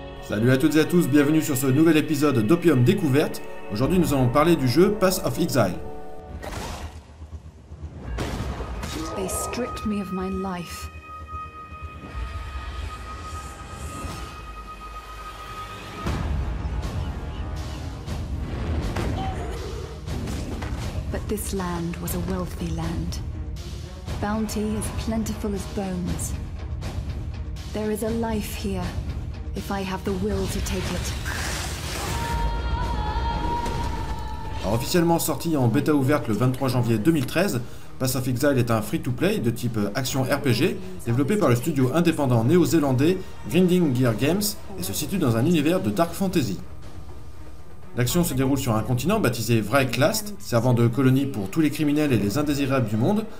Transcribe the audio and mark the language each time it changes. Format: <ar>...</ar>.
<fr>Salut à toutes et à tous, bienvenue sur ce nouvel épisode d'Opium Découverte. Aujourd'hui, nous allons parler du jeu Path of Exile.</fr> <en>They stripped me of my life. But this land was a wealthy land. Bounty as plentiful as bones. There is a life here. If I have the will to take it.</en> <fr>Alors, officiellement sorti en bêta ouverte le 23 janvier 2013, Path of Exile est un free-to-play de type action RPG développé par le studio indépendant néo-zélandais Grinding Gear Games et se situe dans un univers de Dark Fantasy. L'action se déroule sur un continent baptisé Vraeklast, servant de colonie pour tous les criminels et les indésirables du monde.</fr>